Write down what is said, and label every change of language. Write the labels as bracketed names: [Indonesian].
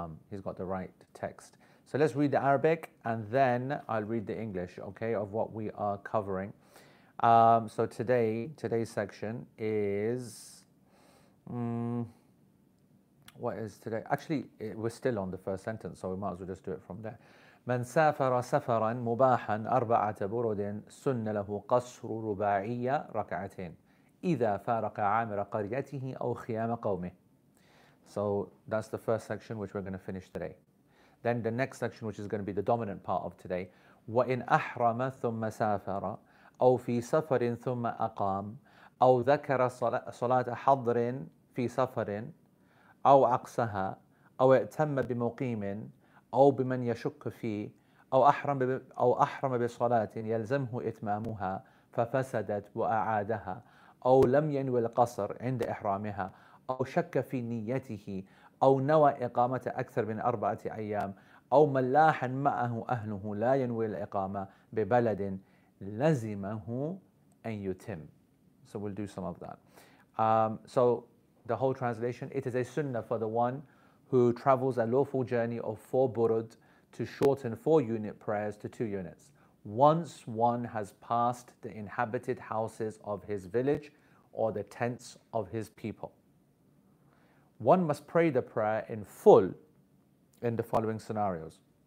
[English] He's got the right text. So let's read the Arabic and then I'll read the English, okay, of what we are covering. So today's section is, what is today? Actually, we're still on the first sentence, so we might as well just do it from there. [Arabic] من سافر سفرا مباحا أربعة برد سن له قصر رباعية ركعتين إذا فارق عامر قريته أو خيام قومه. [English] So that's the first section which we're going to finish today. Then the next section, which is going to be the dominant part of today. [Arabic] وَإِنْ أَحْرَمَ ثُمَّ سَافَرَ أَوْ فِي سَفَرٍ ثُمَّ أَقَامَ أَوْ ذَكَرَ صَلَاةَ حَضْرٍ فِي سَفَرٍ أَوْ عَقْسَهَا أَوْ اِعْتَمَّ بِمُقِيمٍ أَوْ بِمَنْ يَشُكُّ فِيهِ أو أحرم بصلاة يلزمه إتمامها ففسدت وأعادها أو لم ينوي القصر عند إحرامها أو شك في نيته أو نوى إقامة أكثر من 4 أيام أو ملاح معه أهله لا ينوي الإقامة ببلد لزمه أن يتم. [English] So we'll do some of that. So the whole translation, it is a sunnah for the one who travels a lawful journey of 4 burud to shorten 4 unit prayers to 2 units. Once one has passed the inhabited houses of his village or the tents of his people, one must pray the prayer in full in the following scenarios.